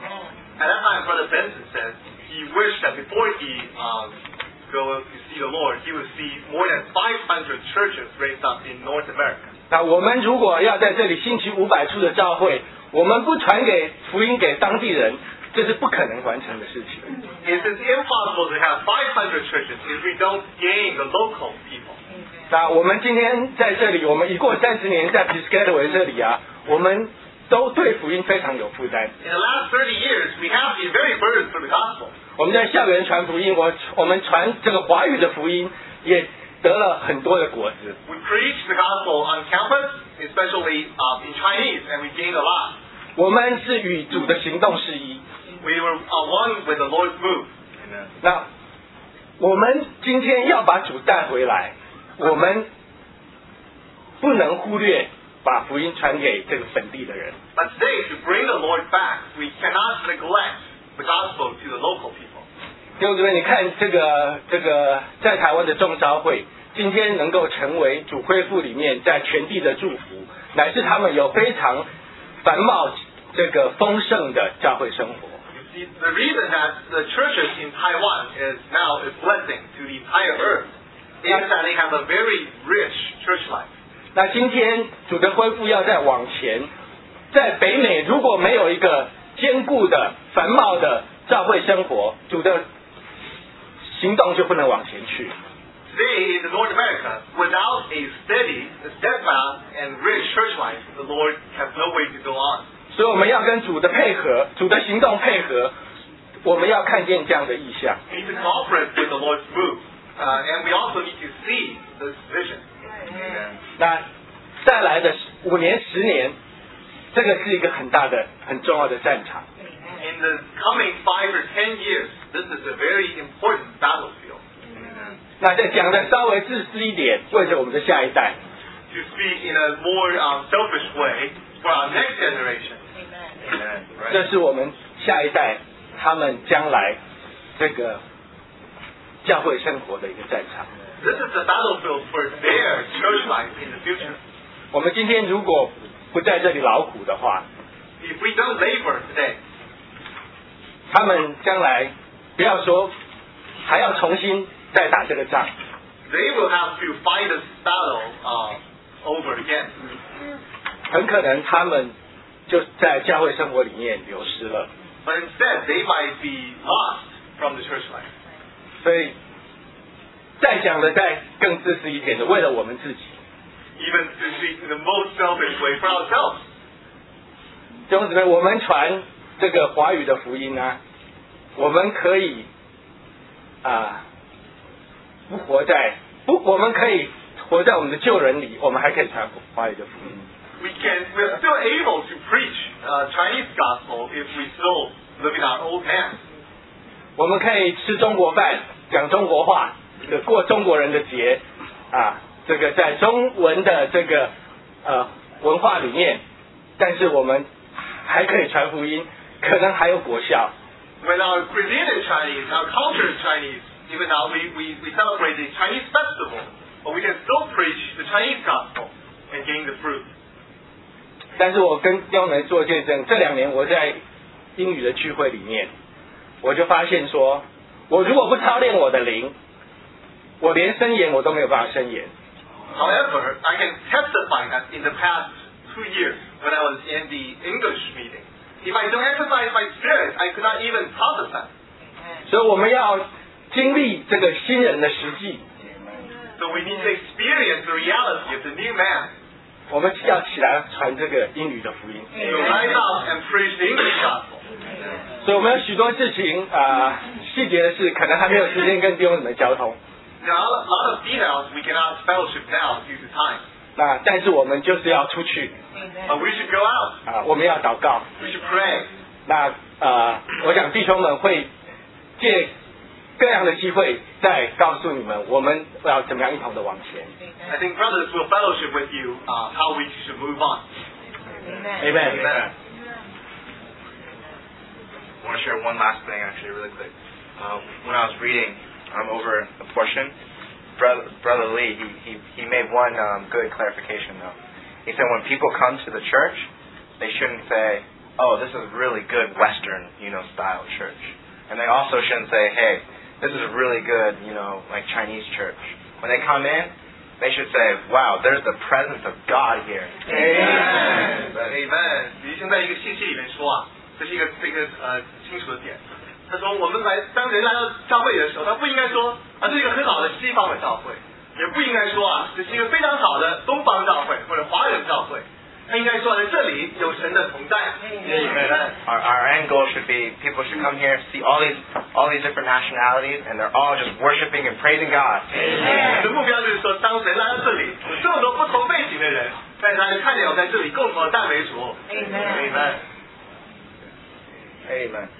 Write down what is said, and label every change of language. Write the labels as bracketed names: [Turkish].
[English] At that time, Brother Benson said he wished that before he goes to see the Lord, he would see more than 500 churches raised up in North America. [Chinese] 那我们如果要在这里兴起500处的教会，我们不传给福音给当地人，这是不可能完成的事情。 [English] It is impossible to have 500 churches if we don't gain the local people. [Chinese] 那我们今天在这里，我们已过30年在 Piscataway 这里啊，我们都对福音非常有负担。 [English] In the last 30 years, we have been very burdened for the gospel. [Chinese] 我们在校园传福音，我们传这个华语的福音，也得了很多的果子。 [English] We preach the gospel on campus, especially in Chinese, and we gained a lot. [Chinese] 我们是与主的行动是一。 [English] We were one with the Lord's move. [Chinese] 那我们今天要把主带回来，我们不能忽略把福音传给这个本地的人。 [English] But today, to bring the Lord back, we cannot neglect the gospel to the local people. [Chinese] 弟兄姊妹，你看这个在台湾的众召会，今天能够成为主恢复里面在全地的祝福，乃是他们有非常繁茂这个丰盛的教会生活。 [English] You see, the reason that the churches in Taiwan is now a blessing to the entire earth is that they have a very rich church life. [Chinese] 那今天主的恢复要再往前，在北美如果没有一个坚固的繁茂的教会生活，主的行动就不能往前去。 [English] Today in North America, without a steady, steadfast and rich church life, the Lord has no way to go on. [Chinese] 所以我们要跟主的配合，主的行动配合，我们要看见这样的意象。 [English] We need to cooperate with the Lord's move, and we also need to see this vision. [Chinese] 那再来的五年十年，这个是一个很大的很重要的战场。 [English] In the coming 5 or 10 years, this is a very important battlefield. [Chinese] 那再讲的稍微自私一点，为了我们的下一代。 [English] To speak in a more selfish way for our next generation. [Chinese] Amen. 这是我们下一代他们将来这个教会生活的一个战场。 [English] This is the battlefield for their church life in the future. [Chinese] 我们今天如果不在这里劳苦的话， [English] if we don't labor today, [Chinese] 他们将来不要说还要重新再打这个仗， [English] they will have to fight this battle over again. [Chinese] 很可能他们就在教会生活里面流失了， [English] but instead they might be lost from the church life. [Chinese] 所以再讲的再更自私一点的，为了我们自己。 [English] Even to speak in the most selfish way for ourselves. [Chinese] 弟兄姊妹，我们传这个华语的福音啊，我们可以不活在不，我们可以活在我们的旧人里，我们还可以传华语的福音。 [English] We're still able to preach Chinese gospel if we still live in our old man. [Chinese] 我们可以吃中国饭，讲中国话。过中国人的节啊，这个在中文的这个文化里面，但是我们还可以传福音，可能还有果效。 [English] When our cuisine is Chinese, our culture is Chinese, even now we celebrate the Chinese festival, but we can still preach Chinese gospel and gain the fruit. [Chinese] 但是我跟刁能做见证，这两年我在英语的聚会里面，我就发现说，我如果不操练我的灵，我连伸言我都没有办法伸言。 [English] However, I can testify that in the past 2 years, when I was in the English meeting, if I don't exercise my spirit, I could not even prophesy. [Chinese] 所以我们要经历这个新人的实际。 [English] So we need to experience the reality of the new man. [Chinese] 我们要起来传这个英语的福音。 [English] So rise up and preach the English gospel. [Chinese] 所以我们有许多事情细节的事可能还没有时间跟弟兄们交通。 [English] Now, a lot of details we cannot fellowship now due to time. [Chinese] 那但是我们就是要出去。 [English] But we should go out. [Chinese] 我们要祷告。 [English] We should pray. [Chinese] 那我想弟兄们会借各样的机会再告诉你们我们要怎么样一同的往前。 [English] I think brothers will fellowship with you how we should move on. Amen. Amen. Amen. Amen. I want to share one last thing actually really quick. When I was reading... over a portion. Brother Lee, he made one good clarification though. He said when people come to the church, they shouldn't say, oh, this is a really good Western, you know, style church. And they also shouldn't say, hey, this is a really good, you know, like Chinese church. When they come in, they should say, wow, there's the presence of God here. Amen. [Chinese] Amen. 你现在一个信息里面说啊，这是一个清楚的点。他说我们来当人来到教会的时候他不应该说啊，这是一个很好的西方的教会也不应该说啊，这是一个非常好的东方教会或者华人教会他应该说在这里有神的同在 [English] Our end goal should be people should come here see all these different nationalities and they're all just worshiping and praising God、 [Chinese] Amen. 的目标就是说当人来到这里有这么多不同背景的人但是他就看见我在这里共同的赞美主 [English] Amen